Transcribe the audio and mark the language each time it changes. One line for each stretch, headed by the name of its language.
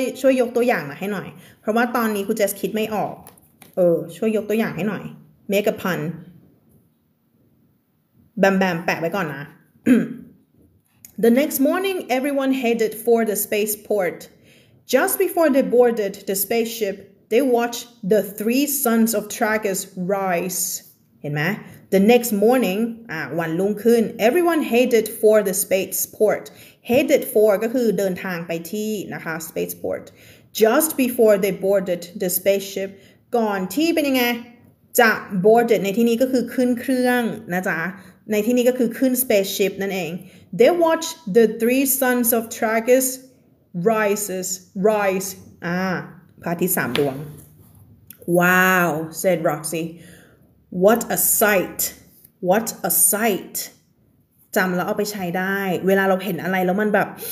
Thai: ช่วยยกตัวอย่างมาให้หน่อยเพราะว่าตอนนี้คุณเจสคิดไม่ออกช่วยยกตัวอย่างให้หน่อย make a pun แบมแบมแปะไว้ก่อนนะ
English: the next morning everyone headed for the spaceport just before they boarded the spaceshipThey watch the three sons of Tragus rise. เห็นไหม The next morning,
Thai: วันรุ่งขึ้น
English: everyone headed for the spaceport.
Thai: Headed for ก็คือเดินทางไปที่นะคะ spaceport.
English: Just before they boarded the spaceship.
Thai: ก่อนที่เป็นยังไงจะ boarded ในที่นี้ก็คือขึ้นเครื่องนะจ๊ะในที่นี้ก็คือขึ้น spaceship นั่นเอง
English: They watch the three sons of Tragus rises rise
Thai: พระอาทิตย์สามดวง
English: wow said Roxy what a sight
Thai: what a sight จำแล้วเอาไปใช้ได้เวลาเราเห็นอะไรแล้วมันแบบ